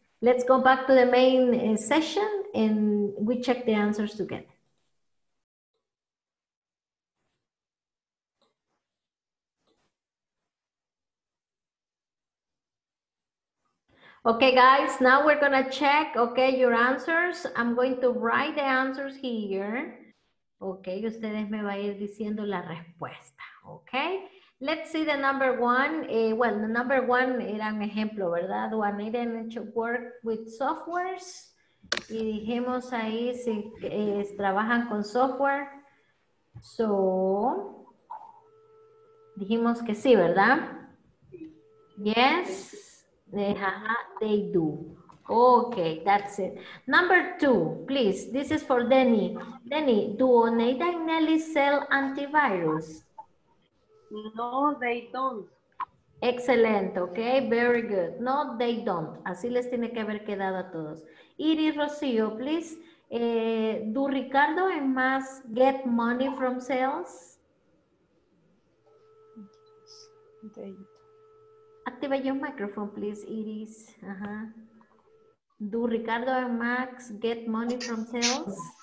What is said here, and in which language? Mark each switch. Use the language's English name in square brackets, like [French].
[English] Let's go back to the main session and we check the answers together. Okay, guys, now we're going to check, okay, your answers. I'm going to write the answers here. [Spanish] Okay, ustedes me van a ir diciendo la respuesta, okay? [English] Let's see the number one. Well, the number one [Spanish] era un ejemplo, ¿verdad? [English] Do I need to work with softwares? [Spanish] Y dijimos ahí si trabajan con software. So, dijimos que sí, ¿verdad? Yes. [English] They do. Okay, that's it. Number two, please. This is for Denny. Denny, do Oneida and Nelly sell antivirus? No, they don't. Excellent, okay, very good. No, they don't. [Spanish] Así les tiene que haber quedado a todos. [English] Iri Rocío, please. Do Ricardo and Mas get money from sales? Activa your microphone, please, Iris. Uh-huh. Do Ricardo and Max get money from sales?